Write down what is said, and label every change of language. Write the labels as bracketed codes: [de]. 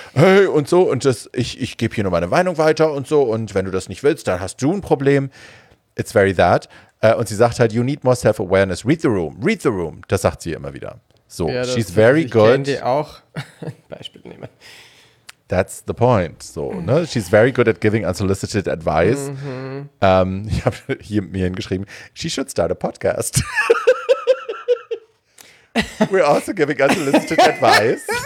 [de] Hey, und so, und das, ich gebe hier nur meine Meinung weiter und so, und wenn du das nicht willst, dann hast du ein Problem. [en] It's very that. [de] Und sie sagt halt, [en] you need more self-awareness. Read the room. [de] Das sagt sie immer wieder. So, ja, [en] she's very good. [de] Ich kann dir auch ein Beispiel nehmen. [en] That's the point. So, ne? She's very good at giving unsolicited advice. Mm-hmm. [de] Ich habe hier mir hingeschrieben, [en] she should start a podcast. We're also giving unsolicited advice.